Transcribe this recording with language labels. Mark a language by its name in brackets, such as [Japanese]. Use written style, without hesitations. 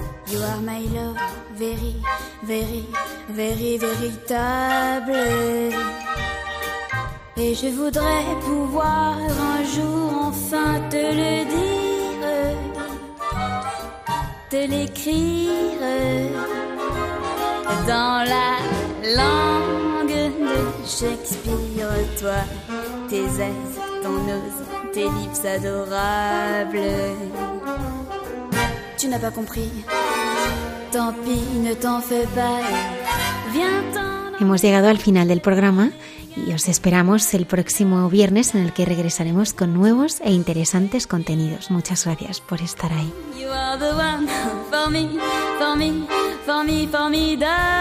[English] You are my love, very, very, very, véritable. [French] Et je voudrais pouvoir un jour enfin te le dire, te l'écrire dans la langue de Shakespeare. Toi, tes aises, ton ose, tes lips adorables. Tu n'as pas compris, tant pis, ne t'en fais pas. Viens-t'en. [Spanish] Hemos llegado al final del programa. Y os esperamos el próximo viernes, en el que regresaremos con nuevos e interesantes contenidos. Muchas gracias por estar ahí. [English] You are the one for me, for me, for me, for me, double.